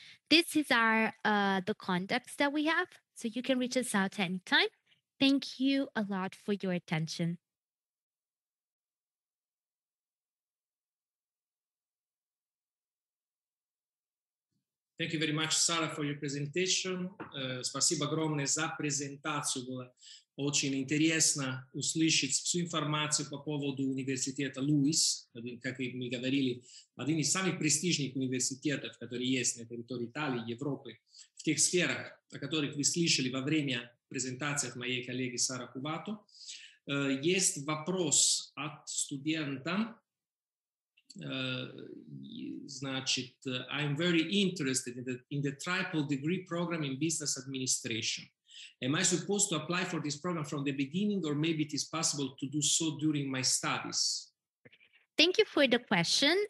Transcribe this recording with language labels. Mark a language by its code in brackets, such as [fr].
[en] This is our the context that we have. So you can reach us out anytime. Thank you a lot for your attention. Thank you very much, Sara, for your presentation. [ru] Спасибо огромное за презентацию. Было очень интересно услышать всю информацию по поводу университета Луис. Как мы говорили, один из самых престижных университетов, которые есть на территории Италии, Европы. В тех сферах, о которых вы слышали во время презентации от моей коллеги Сары Кубато, есть вопрос от студента. [en] Значит, I'm very interested in the triple degree program in business administration. Am I supposed to apply for this program from the beginning, or maybe it is possible to do so during my studies? Thank you for the question.